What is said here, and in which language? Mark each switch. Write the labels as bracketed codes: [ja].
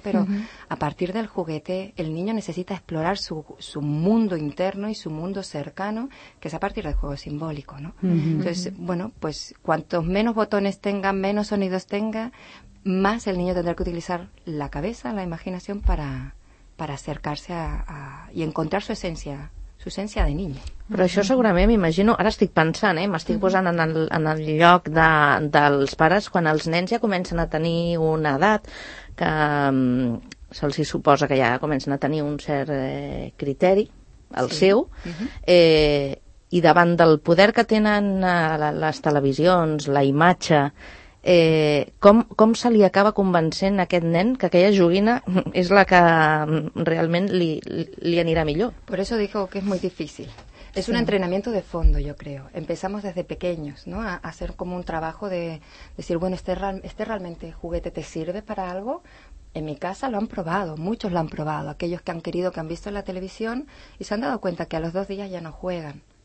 [es] Pero a partir del juguete, el niño necesita explorar su, su mundo interno y su mundo cercano, que es a partir del juego simbólico, ¿no? Entonces, bueno, pues cuantos menos botones tenga, menos sonidos tenga, más el niño tendrá que utilizar la cabeza, la imaginación para acercarse a y encontrar su esencia. Su essència de niño. [ca] Però això segurament, m'imagino, ara estic pensant, m'estic posant en el lloc de, dels pares, quan els nens ja comencen a tenir una edat que se'ls suposa que ja comencen a tenir un cert criteri, el seu, i davant del poder que tenen les televisions, la imatge, com se li acaba convencent aquest nen que aquella joguina és la que realment li anirà millor? [es] Por eso digo que es muy difícil. Es un entrenamiento de fondo, yo creo. Empezamos desde pequeños, ¿no? A hacer como un trabajo de decir, bueno, este realmente juguete te sirve para algo. En mi casa lo han probado, muchos lo han probado, aquellos que han querido, que han visto en la televisión y se han dado cuenta que a los dos días ya no juegan.